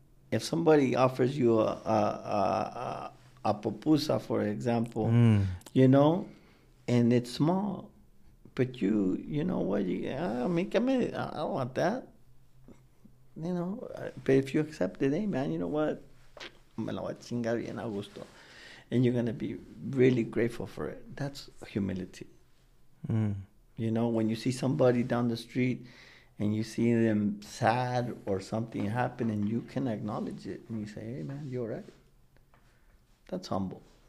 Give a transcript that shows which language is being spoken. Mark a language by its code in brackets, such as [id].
[en] If somebody offers you a pupusa, for example, you know, and it's small, but you know what? I don't want that. You know, but if you accept it, hey man, you know what? [es] Me la voy a chingar bien a gusto. [en] And you're going to be really grateful for it. That's humility. You know, when you see somebody down the street and you see them sad or something happen and you can acknowledge it and you say, hey man, you're right. That's humble.